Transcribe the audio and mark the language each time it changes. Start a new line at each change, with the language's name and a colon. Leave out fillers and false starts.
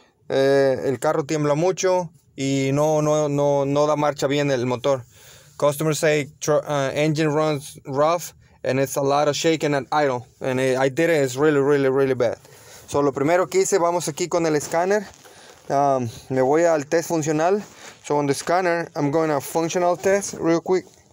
Spanish: El carro tiembla mucho y no da marcha bien el motor.
English: Customers say engine runs rough and it's a lot of shaking and idle. And I did it, it's really, really, really bad.
Spanish: So, lo primero que hice, vamos aquí con el scanner. Me voy al test funcional.
English: So, on the scanner, I'm going to functional test real quick.